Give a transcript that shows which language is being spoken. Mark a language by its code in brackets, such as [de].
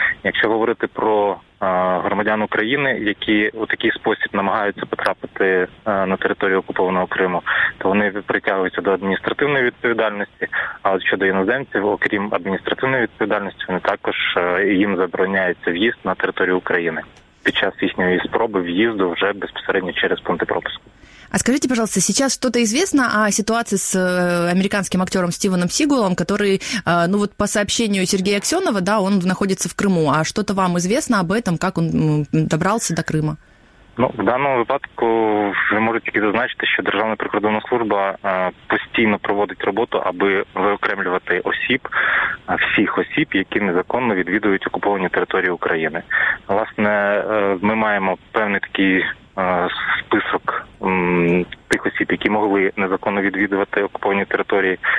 [uk] Якщо говорити про громадян України, які у такий спосіб намагаються потрапити на територію окупованого Криму, то вони притягуються до адміністративної відповідальності, а от щодо іноземців, окрім адміністративної відповідальності, вони також їм забороняється в'їзд на територію України під час їхньої спроби в'їзду вже безпосередньо через пункти пропуску. [ru] А скажите, пожалуйста, сейчас что-то известно о ситуации с американским актером Стивеном Сигалом, который, ну вот по сообщению Сергея Аксенова, да, он находится в Крыму. А что-то вам известно об этом, как он добрался до Крыма? [uk] Ну, в даному випадку ви можете зазначити, що Державна прикордонна служба постійно проводить роботу, аби виокремлювати осіб, всіх осіб, які незаконно відвідують окуповані території України. Власне, ми маємо певний такий список тих осіб, які могли незаконно відвідувати окуповані території.